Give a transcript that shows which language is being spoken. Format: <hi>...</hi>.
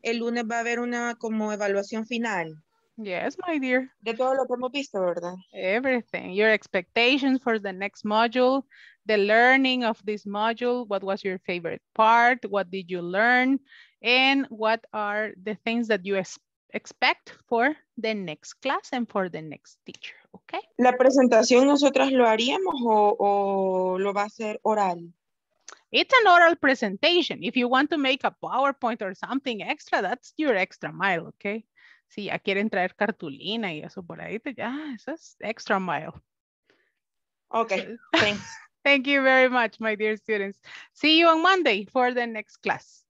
<es>El lunes va a haber una como evaluación final.</es> <en>Yes, my dear.</en> <es>De todo lo que hemos visto, ¿verdad?</es> <en>Everything. Your expectations for the next module, the learning of this module, what was your favorite part, what did you learn, and what are the things that you expect for the next class and for the next teacher, okay?</en> <es>¿La presentación nosotras lo haríamos o lo va a hacer oral?</es> <en>It's an oral presentation. If you want to make a PowerPoint or something extra, that's your extra mile, okay?</en> <es>Si ya quieren traer cartulina y eso por ahí, ya, eso es extra mile.</es> <en>Okay, thanks. Thank you very much, my dear students. See you on Monday for the next class.</en>